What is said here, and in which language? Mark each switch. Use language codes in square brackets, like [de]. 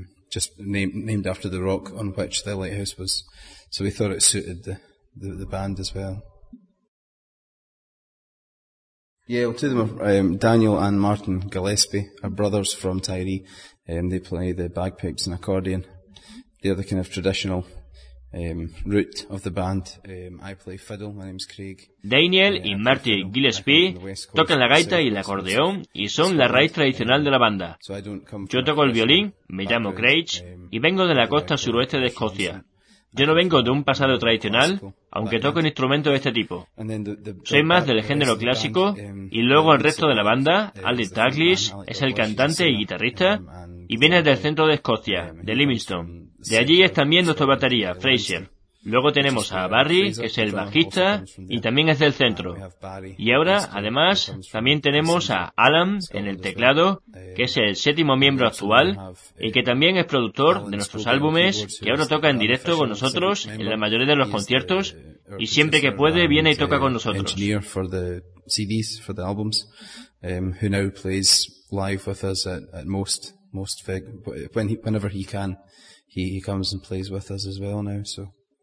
[en] Just named after the rock on which the lighthouse was, so we thought it suited the band as well. Yeah, well, two of them are Daniel and Martin Gillespie, are brothers from Tyree, and they play the bagpipes and accordion. They're the kind of traditional root of the band. I play fiddle. My name's Craig. [es] Daniel y Martin Gillespie tocan la gaita y el acordeón y son la raíz tradicional de la banda. Yo toco el violín, me llamo Craig y vengo de la costa suroeste de Escocia. Yo no vengo de un pasado tradicional, aunque toco un instrumento de este tipo. Soy más del género clásico y luego el resto de la banda, Alec Douglas, es el cantante y guitarrista y viene del centro de Escocia, de Livingston. De allí es también nuestro batería, Frazier. Luego tenemos a Barry, que es el bajista y también es del centro. Y ahora, además, también tenemos a Alan en el teclado, que es el séptimo miembro actual y que también es productor de nuestros álbumes, que ahora toca en directo con nosotros en la mayoría de los conciertos y siempre que puede viene y toca con nosotros. [en] He comes and plays with us as well now, so.